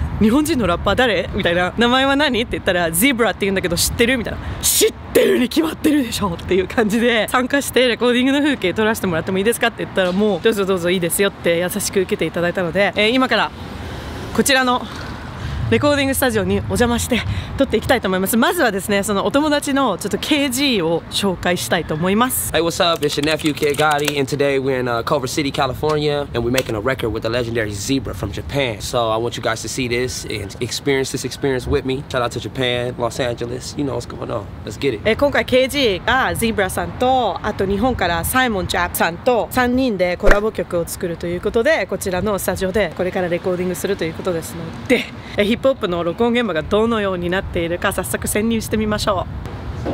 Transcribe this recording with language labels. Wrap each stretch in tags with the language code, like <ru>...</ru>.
<ja>日本人のラッパー誰みたいな、名前は何って言ったら、 ZEEBRA って言うんだけど知ってるみたいな、知ってるに決まってるでしょっていう感じで、参加してレコーディングの風景撮らせてもらってもいいですかって言ったら、もうどうぞどうぞいいですよって優しく受けていただいたので、今からこちらのレコーディングスタジオにお邪魔して撮っていきたいと思います。まずはですね、そのお友達のちょっと KG を紹介したいと思います。</ja> <en>Hey, what's up? It's your nephew Kid Gotti, and today we're in Culver City, California, and we're making a record with the legendary ZEEBRA from Japan. So I want you guys to see this and experience this experience with me. Shout out to Japan, Los Angeles, you know what's going on. Let's get it.</en> <ja>今回 KG が ZEEBRA さんと、あと日本から SIMON JAP さんと3人でコラボ曲を作るということで、こちらのスタジオでこれからレコーディングするということですので、ヒップホップの録音現場がどのようになっているか早速潜入してみましょう。</ja>